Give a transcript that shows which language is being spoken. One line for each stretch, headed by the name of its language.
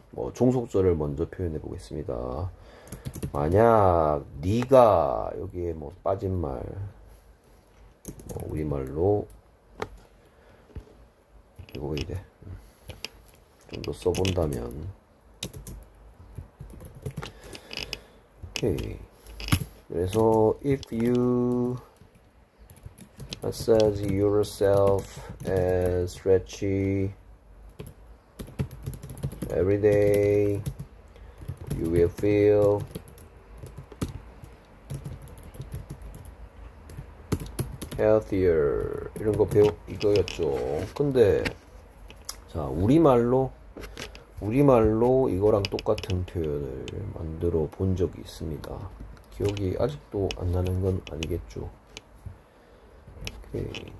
Korean: 뭐, 종속절을 먼저 표현해 보겠습니다. 만약, 네가 여기에 뭐, 빠진 말. 뭐 우리말로. 이거 이제 좀더 써본다면. 오케이.
English: 그래서, if you assess yourself as stretchy every day, you will feel healthier.
Korean: 이런 거 배우, 이거였죠. 근데, 자, 우리말로 이거랑 똑같은 표현을 만들어 본 적이 있습니다. 기억이 아직도 안 나는 건 아니겠죠. 오케이.